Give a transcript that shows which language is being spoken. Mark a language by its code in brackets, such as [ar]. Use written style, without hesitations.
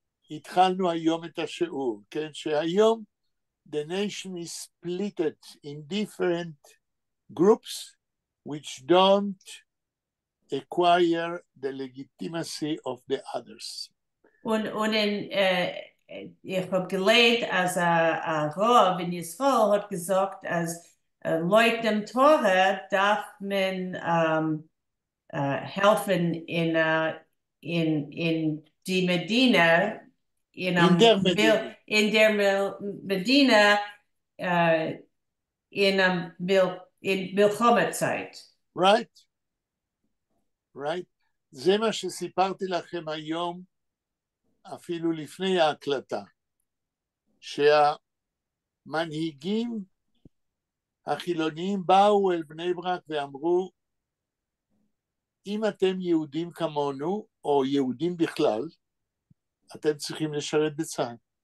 [he] התחלנו היום את השיעור, כן? שהיום, [en] the nation is split in different groups which don't acquire the legitimacy of the others. [de] Und in ich habe gelernt, als ein Rabbi in Israel hat gesagt, als Leute im Tore darf man helfen in die Medina, In der Medina. in der Medina, in einem in Milchome-Zeit. [en] Right. [he] זה מה שסיפרתי לכם היום, אפילו לפני ההקלטה, שהמנהיגים החילוניים באו אל בני ברק ואמרו, אם אתם יהודים כמונו, או יהודים בכלל, אתם צריכים לשרת בצה"ל.